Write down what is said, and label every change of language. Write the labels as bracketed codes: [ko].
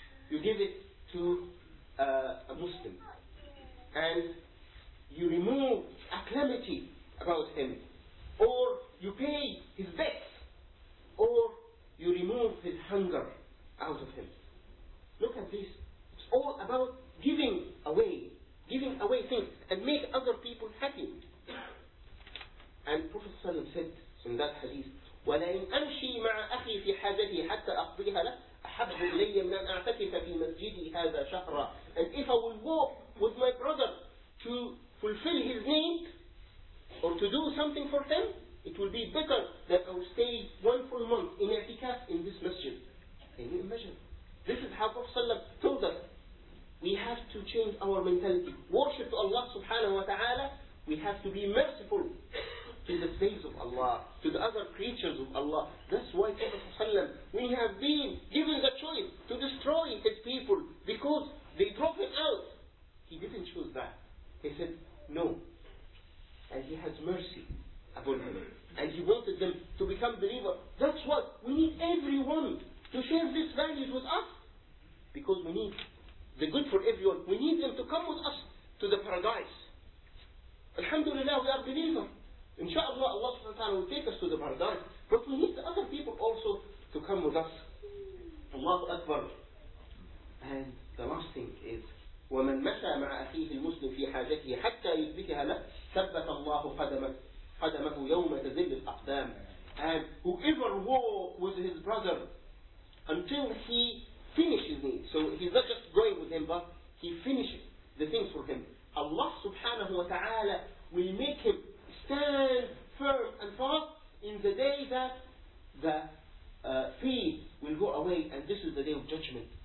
[en] You give it to a Muslim, and you remove a calamity about him, or you pay his debts, or you remove his hunger out of him. Look at this. It's all about giving away things and make other people happy. And Prophet ﷺ said in that hadith, [ar] وَلَئِنْ أَمْشِي مَعَ أَخِي فِي حَاجَتِي حَتَّى أَقْضِيهَا لَهُ أَحَبُّ إِلَيَّ مِنْ أَنْ أَعْتَكِفَ فِي مَسْجِدِي هَذَا شَهْرًا. [en] And if I will walk with my brother to fulfill his need or to do something for him, it will be better that I will stay one full month in i'tikaf in this masjid. Can you imagine? This is how Prophet ﷺ told us. We have to change our mentality. Worship to Allah subhanahu wa ta'ala. We have to be merciful to the slaves of Allah, to the other creatures of Allah. That's why Prophet ﷺ, we have been given the choice to destroy his people because they drove him out. He didn't choose that. He said, no. And he has mercy upon him. And he wanted them to become believers. That's what we need, everyone to share these values with us. Because we need the good for everyone. We need them to come with us to the paradise. Alhamdulillah, we are believers. InshaAllah, Allah subhanahu wa ta'ala will take us to the paradise. But we need the other people also to come with us. Allahu Akbar. And the last thing is, [ar] وَمَنْ مَشَى مَعَ أَخِيهِ الْمُسْلِمِ فِي حَاجَتِهِ حَتَّى يُدْرِكَهَا لَهُ ثَبَّتَ اللَّهُ قَدَمَهُ يَوْمَ تَذِلُّ الْأَقْدَامُ. [en] And whoever walk with his brother until he finishes his need. So he's not just going with him, but he finishes the things for him. Allah subhanahu wa ta'ala will make him stand firm and fast in the day that the feet will go away, and this is the day of judgment.